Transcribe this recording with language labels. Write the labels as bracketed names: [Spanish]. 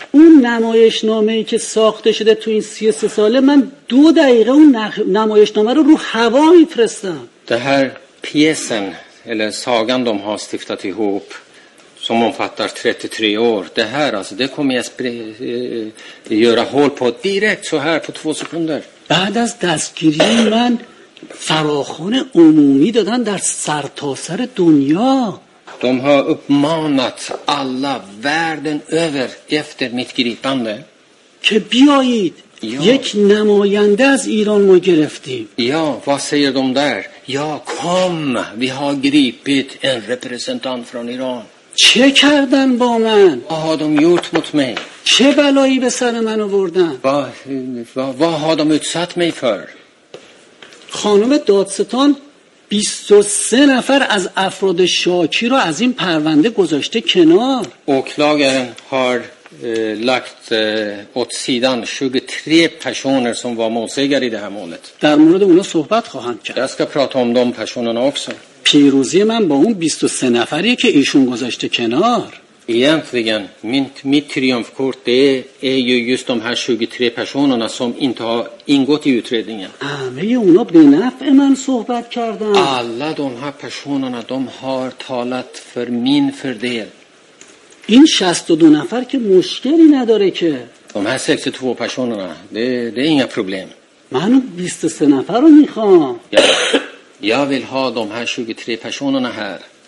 [Persian] اون نمایشنامه‌ای که ساخته شده تو این 33 ساله من دو دقیقه اون نمایشنامه رو هوا میفرستم. [Swedish] Det här pjäsen eller sagan de har stiftat ihop som omfattar 33 år. Det här alltså, det kommer jag göra hål på direkt så här på 2 sekunder. [Persian] بعد از دستگیری من فراخوان عمومی دادن در سرتاسر دنیا. [Swedish] De har uppmanat alla världen över efter mitt gripande. [Persian] که بیایید یک نماینده از ایران ما گرفتیم. [Swedish] Ja, vad säger de där? Ja, kom, vi har gripit en representant från Iran. [Persian] چه کردن با من؟ [Swedish] Vad har de gjort mot mig? [Persian] چه بلایی به سر من آوردن؟ [Swedish] Vad har de utsatt mig för? [Persian] خانم دادستان 23 نفر از افراد شاکی رو از این پرونده گذاشته کنار. [Swedish] Åklagaren har lagt åt sidan 23 personer som var målsägare i det här målet. [Persian] در مورد اونا صحبت خواهم کرد. [Swedish] Jag ska prata om de personerna också. [Persian] پیروزی من با اون 23 نفری که ایشون گذاشته کنار. [Swedish] Egentligen mitt triumfkort är ju just de här 23 personerna som inte har ingått i utredningen. [Persian] همه اونا به نفع من صحبت کردن. [Swedish] Alla de här personerna de har talat för min fördel. [Persian] این 62 نفر که مشکلی نداره که. [Swedish] De här 62 personerna det är inga problem. [Persian] من 23 نفر رو میخوام. [Swedish] Jag vill ha de här 23 personerna här.